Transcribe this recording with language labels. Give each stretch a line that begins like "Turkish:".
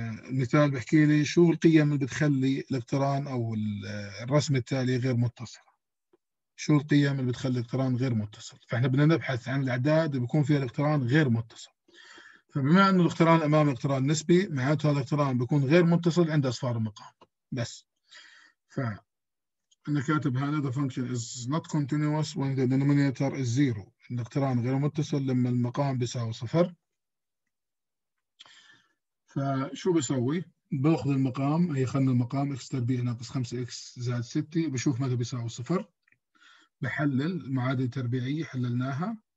Arabic: مثال بحكي لي شو القيم اللي بتخلي الاقتران أو الرسم التالي غير متصل؟ شو القيم اللي بتخلي الاقتران غير متصل؟ فإحنا بدنا نبحث عن الأعداد اللي بيكون فيها الاقتران غير متصل. فبما أنه الاقتران أمام الاقتران نسبي، معناته هذا الاقتران بيكون غير متصل عند أصفار المقام بس. فأنا كاتب هذا
English: the function is not continuous when the denominator is zero.
Arabic: الاقتران غير متصل لما المقام بيساوي صفر. فشو بسوي؟ باخذ المقام، هي خلنا المقام x تربيع ناقص 5x زائد 6، بشوف متى بيساوي صفر، بحلل المعادلة التربيعية حللناها.